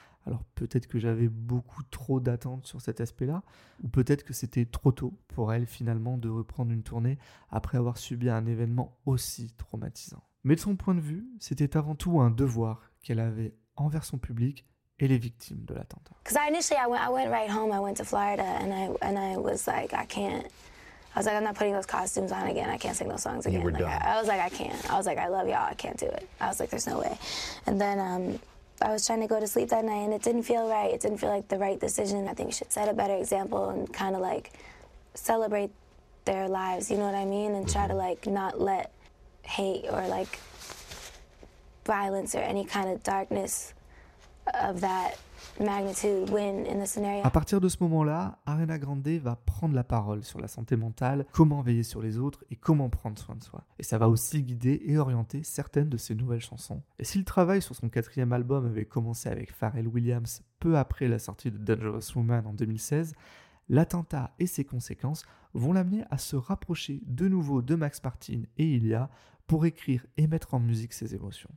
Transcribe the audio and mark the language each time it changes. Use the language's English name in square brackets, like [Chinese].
[French] Alors peut-être que j'avais beaucoup trop d'attentes sur cet aspect-là, ou peut-être que c'était trop tôt pour elle finalement de reprendre une tournée après avoir subi un événement aussi traumatisant. Mais de son point de vue, c'était avant tout un devoir qu'elle avait envers son public et les victimes de l'attentat. [English] Because initially I went right home, I went to Florida and I was like I can't. I was like, I'm not putting those costumes on again. I can't sing those songs again. I was like, I can't. I was like, I love y'all. I can't do it. I was like, there's no way. And then I was trying to go to sleep that night, and it didn't feel right. It didn't feel like the right decision. I think we should set a better example and kind of like celebrate their lives. You know what I mean? And try to like not let hate or like violence or any kind of darkness of that magnitude win in the scenario. [French] À partir de ce moment-là, Ariana Grande va prendre la parole sur la santé mentale, comment veiller sur les autres et comment prendre soin de soi. Et ça va aussi guider et orienter certaines de ses nouvelles chansons. Et si le travail sur son 4e album avait commencé avec Pharrell Williams peu après la sortie de Dangerous Woman en 2016, l'attentat et ses conséquences vont l'amener à se rapprocher de nouveau de Max Martin et Ilia pour écrire et mettre en musique ses émotions.